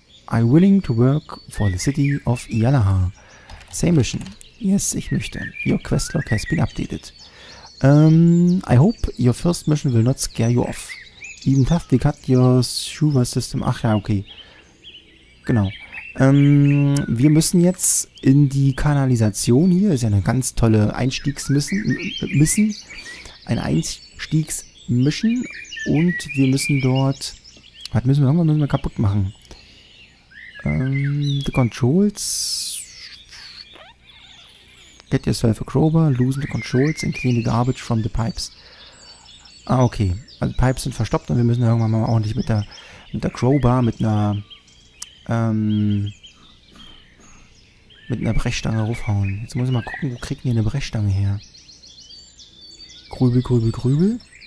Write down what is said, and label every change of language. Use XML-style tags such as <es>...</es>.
<en>I'm willing to work for the city of Yalaha. Same mission. Yes, ich möchte. Your quest log has been updated. I hope your first mission will not scare you off. Even tough, they cut your sugar system.</en> <de>Ach ja, okay. Genau. Wir müssen jetzt in die Kanalisation hier. Ist ja eine ganz tolle Einstiegsmission. Ein Einstiegsmission. Und wir müssen dort... Was müssen wir? Irgendwas müssen wir kaputt machen.</de> <en>The controls. Get yourself a crowbar. Loosen the controls and clean the garbage from the pipes.</en> <de>Ah, okay. Also Pipes sind verstopft und wir müssen irgendwann mal ordentlich mit der Crowbar, mit einer Brechstange raufhauen. Jetzt muss ich mal gucken, wo kriegen wir eine Brechstange her? Grübel, grübel, grübel.</de>